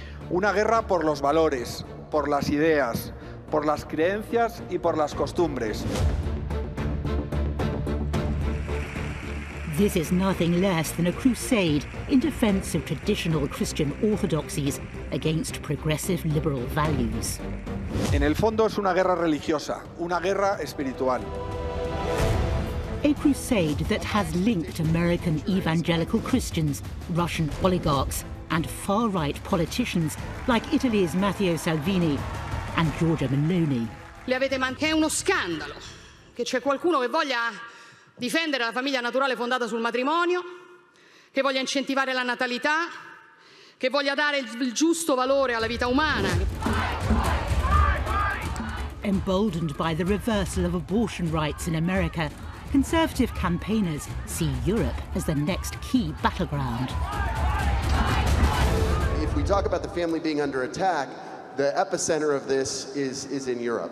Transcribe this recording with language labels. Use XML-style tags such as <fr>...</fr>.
<es>Una guerra por los valores, por las ideas, por las creencias y por las costumbres.</es> <en>This is nothing less than a crusade in defense of traditional Christian orthodoxies against progressive liberal values.</en> <es>En el fondo es una guerra religiosa, una guerra espiritual.</es> <en>A crusade that has linked American evangelical Christians, Russian oligarchs, and far-right politicians like Italy's Matteo Salvini and Giorgia Meloni.</en> <it>Le avete mancato uno scandalo che c'è qualcuno che voglia difendere la famiglia naturale fondata sul matrimonio, che voglia incentivare la natalità, che voglia dare il giusto valore alla vita umana.</it> <en>Emboldened by the reversal of abortion rights in America, conservative campaigners see Europe as the next key battleground. If we talk about the family being under attack, the epicenter of this is in Europe.</en>